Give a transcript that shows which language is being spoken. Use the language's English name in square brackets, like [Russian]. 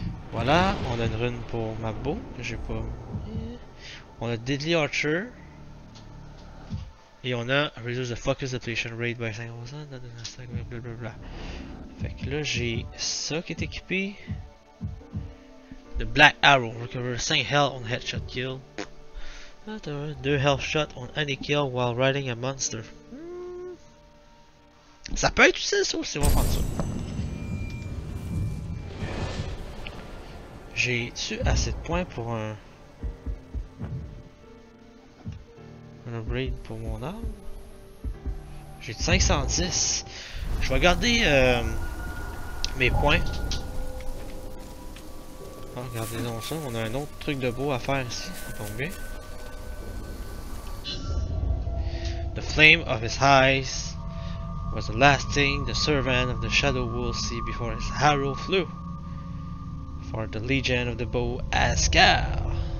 [French] Voilà, on a une rune pour ma bow. J'ai pas. On a Deadly Archer. [English] Et on a Reduce the Focus Depletion Rate by 5%. Blablabla. [French] Fait que là j'ai ça qui est équipé. The Black Arrow. [English] Recover 5 health on headshot kill. 2 health shot on any kill while riding a monster. [French] Ça peut être utile ça aussi, on va prendre ça. J'ai-tu assez de points pour un... un upgrade pour mon arme? J'ai 510. Je vais garder mes points. Ah, regardez donc ça, on a un autre truc de beau à faire ici, ça tombe bien. [English] The flame of his eyes was the last thing the servant of the Shadow Wolf see before his arrow flew for the Legion of the Bow Ascal.